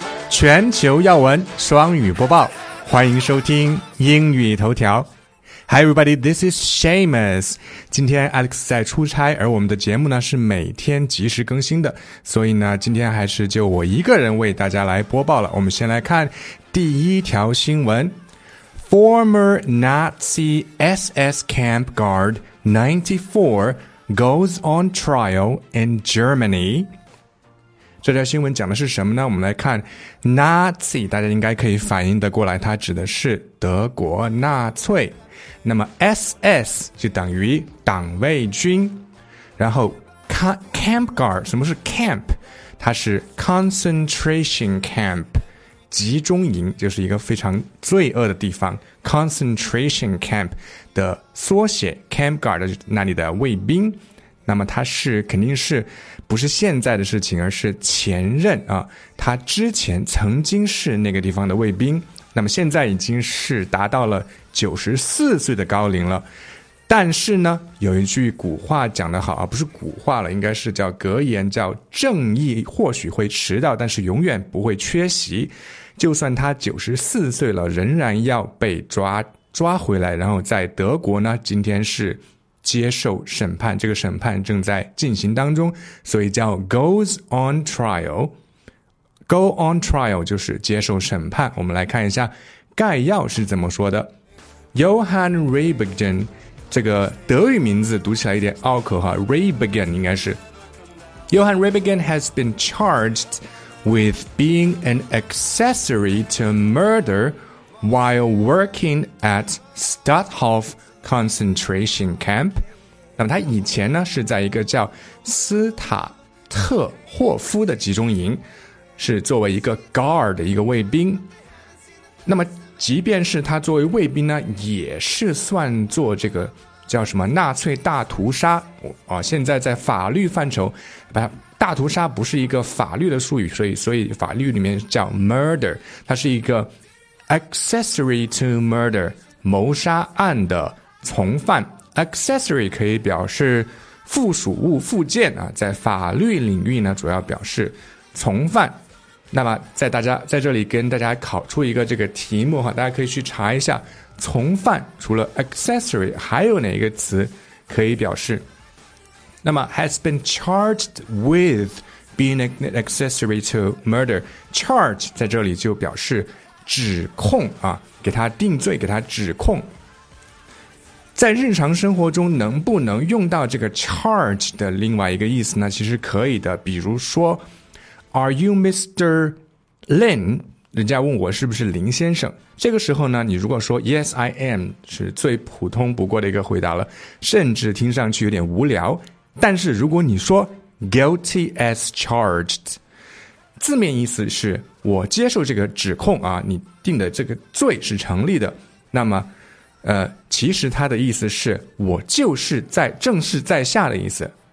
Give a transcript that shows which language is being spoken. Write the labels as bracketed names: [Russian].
[Chinese] 全球要闻双语播报，欢迎收听英语头条。 [English] Hi everybody, this is Seamus. [Chinese] 今天 Alex 在出差，而我们的节目呢是每天及时更新的，所以呢今天还是就我一个人为大家来播报了。我们先来看第一条新闻。 [English] Former Nazi SS camp guard 94 goes on trial in Germany. [Chinese] 这条新闻讲的是什么呢？我们来看 Nazi， 大家应该可以反应得过来，它指的是德国纳粹。那么 SS 就等于党卫军，然后 camp guard， 什么是 camp？它是 concentration camp。集中营就是一个非常罪恶的地方， Concentration Camp 的缩写， Camp Guard 那里的卫兵。那么它是肯定是不是现在的事情，而是前任啊，他之前曾经是那个地方的卫兵，那么现在已经是达到了94岁的高龄了。但是呢有一句古话讲得好啊，不是古话了，应该是叫格言，叫正义或许会迟到，但是永远不会缺席。就算他94岁了，仍然要被抓回来，然后在德国呢今天是接受审判，这个审判正在进行当中，所以叫 [English] goes on trial。 go on trial [Chinese] 就是接受审判。我们来看一下概要是怎么说的。 Johann Rebigen，这个德语名字读起来一点拗口哈， Rebigen 应该是。 [English] Johann Rebigen has been charged with being an accessory to murder while working at Stutthof concentration camp。 [Chinese] 那么他以前呢是在一个叫斯塔特霍夫的集中营，是作为一个 guard 的一个卫兵。那么即便是他作为卫兵呢，也是算作这个叫什么纳粹大屠杀啊。现在在法律范畴，大屠杀不是一个法律的术语，所以法律里面叫 murder， 它是一个 [English] accessory to murder， [Chinese] 谋杀案的从犯。 accessory 可以表示附属物、附件啊，在法律领域呢主要表示从犯。那么在大家在这里跟大家考出一个这个题目哈，大家可以去查一下，从犯除了 accessory 还有哪一个词可以表示。那么 [English] has been charged with being an accessory to murder， [Chinese] charge 在这里就表示指控啊，给他定罪，给他指控。在日常生活中能不能用到这个 charge 的另外一个意思呢？其实可以的。比如说 [English] Are you Mr. Lin？ [Chinese] 人家问我是不是林先生，这个时候呢你如果说 [English] Yes I am， [Chinese] 是最普通不过的一个回答了，甚至听上去有点无聊。但是如果你说 [English] Guilty as charged， [Chinese] 字面意思是我接受这个指控啊，你定的这个罪是成立的，那么其实他的意思是我就是在正式在下的意思。